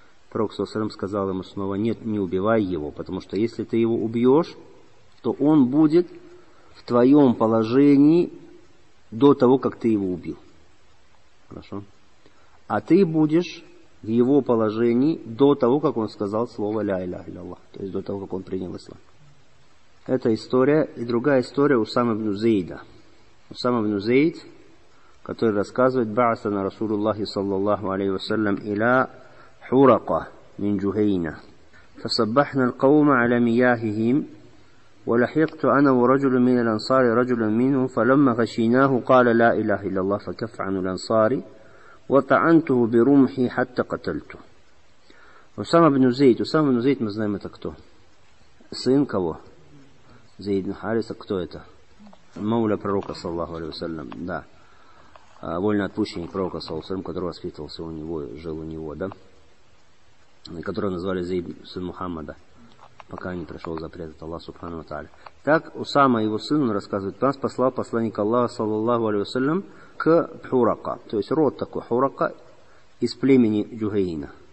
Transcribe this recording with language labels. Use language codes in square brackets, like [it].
[ru] Пророк саллаллаху алейхи вассалям сказал ему снова: нет, не убивай его, потому что если ты его убьешь, то он будет в твоем положении до того, как ты его убил. Хорошо? А ты будешь в его положении до того, как он сказал слово «Ля иляха илляллах», то есть до того, как он принял ислам. Это история. И другая история — Усама ибн Зейда. Усама ибн Зейд, который рассказывает: [ar] «Ба'асана Расулуллахи саллаллаху алейхи вассалям иля حرقة من جهينة فصبحنا القوم على مياههم ولحقت أنا ورجل من الأنصار رجلا منهم فلما غشيناه قال لا إله إلا الله فكف عن الأنصار وطعنته برمحي حتى قتلته. أسامة بن زيد. [ru] أسامة بن زيد ما знаем это кто. Сын кого? Зейд бин Хариса. Кто это? Мауля пророка صلى الله عليه وسلم. Да. Вольноотпущенник пророка صلى الله عليه وسلم, который воспитывался у него, жил у него, да? Которого назвали Зейд, сын Мухаммада, пока не пришел запрет от Аллаха Субхану ва Тааля. Так Усама, его сын, он рассказывает: нас послал посланник Аллаха, саллаллаху алейхи вассалям, к Хурака, то есть род такой Хурака, из племени Джугейна.